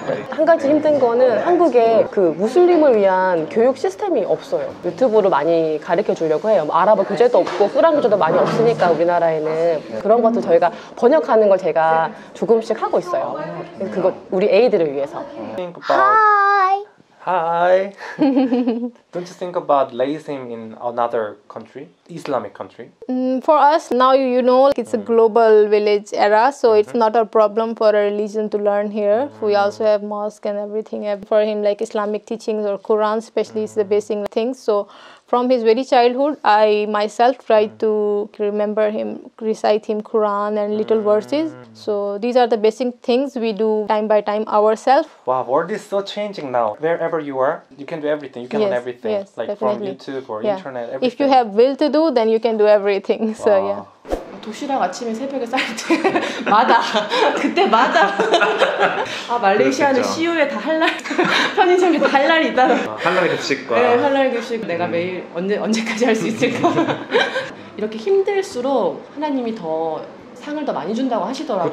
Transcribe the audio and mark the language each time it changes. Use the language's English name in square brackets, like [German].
[Korean] 한 가지 힘든 거는 한국에 그 무슬림을 위한 교육 시스템이 없어요. 유튜브로 많이 가르쳐 주려고 해요. 뭐 아랍어 교재도 없고, 꾸란 교재도 많이 없으니까 우리나라에는. 그런 것도 저희가 번역하는 걸 제가 조금씩 하고 있어요. 그거 우리 애들을 위해서. [English] Think about... Hi. Don't you think about laism in another country, Islamic country? For us, now you know it's a global village era, so it's not a problem for a religion to learn here. We also have mosque and everything. For him, like Islamic teachings or Quran especially is the basic thing. So from his very childhood, I myself tried to remember him, recite him Quran and little verses. So these are the basic things we do time by time ourselves. Wow, world is so changing now. Wherever you are, you can do everything. You can learn everything. Yes, like definitely. From YouTube or internet, everything. If you have will to do, then you can do everything. So wow. [Korean] 도시락 아침에 새벽에 쌀 때 마다 그때 마다 아 말레이시아는 시우에 다 할랄 편의점에 다 할랄이 있다. 할랄 급식과 네 할랄 급식 내가 매일 언제까지 할 수 있을까. 이렇게 힘들수록 하나님이 더 상을 더 많이 준다고 하시더라고요.